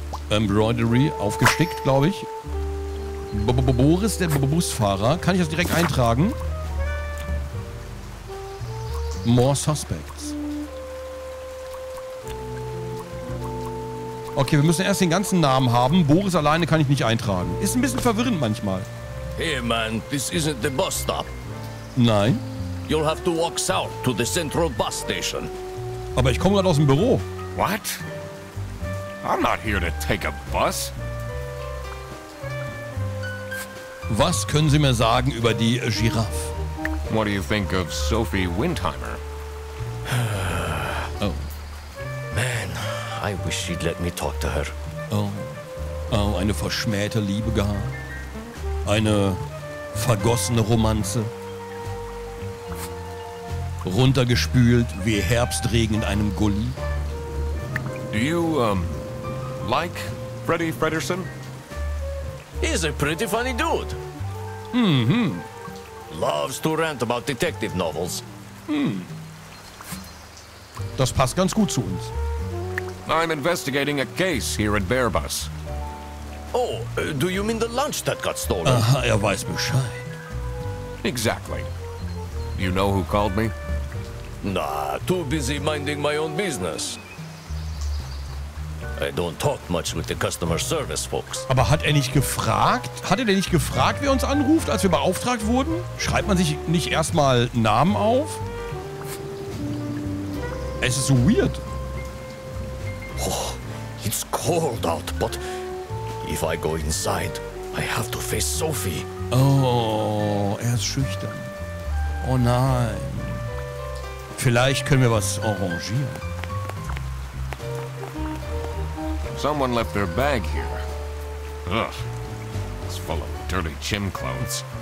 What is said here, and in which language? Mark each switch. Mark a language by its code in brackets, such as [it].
[de] Embroidery, aufgestickt, glaube ich. Boris, der Busfahrer. Kann ich das direkt eintragen? [en] More suspects. [de] Okay, wir müssen erst den ganzen Namen haben. Boris alleine kann ich nicht eintragen. Ist ein bisschen verwirrend manchmal. [en] Hey, man, this isn't the bus stop. [de] Nein. [en] You'll have to walk south to the central bus station. [de] Aber ich komme gerade aus dem Büro. [en] What? I'm not here to take a bus. [de] Was können Sie mir sagen über die Giraffe? [en] What do you think of Sophie Windheimer? Oh. Man, I wish she'd let me talk to her. Oh. [de] Oh, eine verschmähte Liebe gar. Eine vergossene Romanze. runtergespült wie Herbstregen in einem Gully. [en] Do you, like Freddy Fredersen? He's a pretty funny dude. Mm-hmm. Loves to rant about detective novels. Hm. [de] Das passt ganz gut zu uns. [en] I'm investigating a case here at Bearbus. Oh, do you mean the lunch that got stolen? [de] Aha, er weiß Bescheid. [en] Exactly. You know who called me? Nah, too busy minding my own business. I don't talk much with the customer service folks. [de] Aber hat er nicht gefragt? Hat er denn nicht gefragt, wer uns anruft, als wir beauftragt wurden? Schreibt man sich nicht erstmal Namen auf? Es ist so weird. [en] Oh, it's cold out, but if I go inside, I have to face Sophie. [de] Oh, er ist schüchtern. Oh nein. Vielleicht können wir was arrangieren. [en] Someone left their bag here. Ugh. It's full of dirty gym clothes.